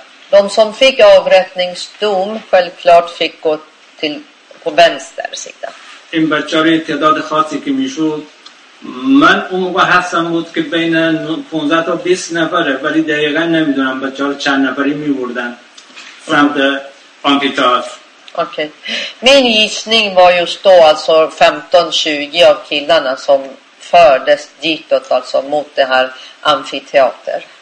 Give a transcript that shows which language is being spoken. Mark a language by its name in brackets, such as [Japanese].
[Swedish] De som fick avrättningsdom självklart fick gå till på vänster sida. [Persian] این بچه های تعداد خاصی که میشود من اون موقع حسم بود که بین 15 تا 20 نفره ولی دقیقا نمیدونم بچه ها چند نفری میبردن سمت آمپیتار. Okay. [Swedish] Min gissning var just då alltså 15-20 av killarna som fördes ditåt alltså mot det här amfiteater.